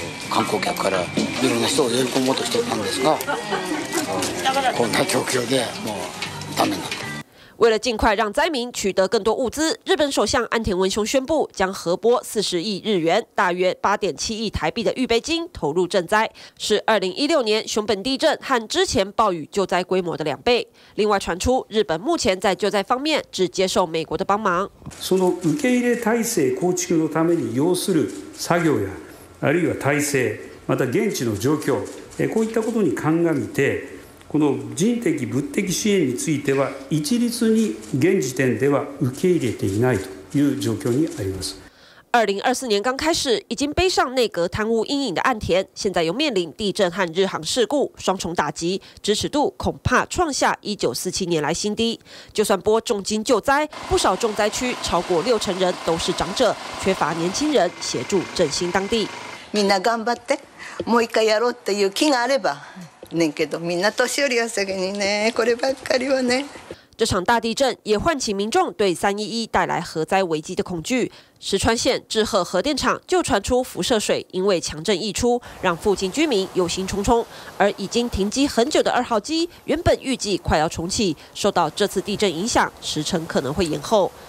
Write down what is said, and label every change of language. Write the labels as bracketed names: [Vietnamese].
[Japanese] 観光客からいろんな人を喜ぼうとしてたんですが、こんな状況でもうダメな。 [Chinese] 为了尽快让灾民取得更多物资，日本首相岸田文雄宣布将核拨40亿日元，大约8.7亿台币的预备金投入赈灾，是2016年熊本地震和之前暴雨救灾规模的两倍。另外传出，日本目前在救灾方面只接受美国的帮忙。 [Japanese] その受け入れ体制構築のために要する作業や、あるいは体制、また現地の状況、こういったことに鑑みて。この人的物的支援については一律に現時点では受け入れていないという状況にあります。 [Chinese] 2024年刚开始，已经背上内阁贪污阴影的岸田，现在又面临地震和日航事故双重打击，支持度恐怕创下1947年来新低。就算拨重金救灾，不少重灾区超过60%人都是长者，缺乏年轻人协助振兴当地。 [Japanese] みんな頑張って、もう一回やろうっていう気があれば。ねけどみんな年寄りは責任ね、こればっかりはね。 [Chinese] 这场大地震也唤起民众对311带来核灾危机的恐惧。石川县志贺核电厂就传出辐射水因为强震溢出，让附近居民忧心忡忡。而已经停机很久的二号机，原本预计快要重启，受到这次地震影响，时程可能会延后。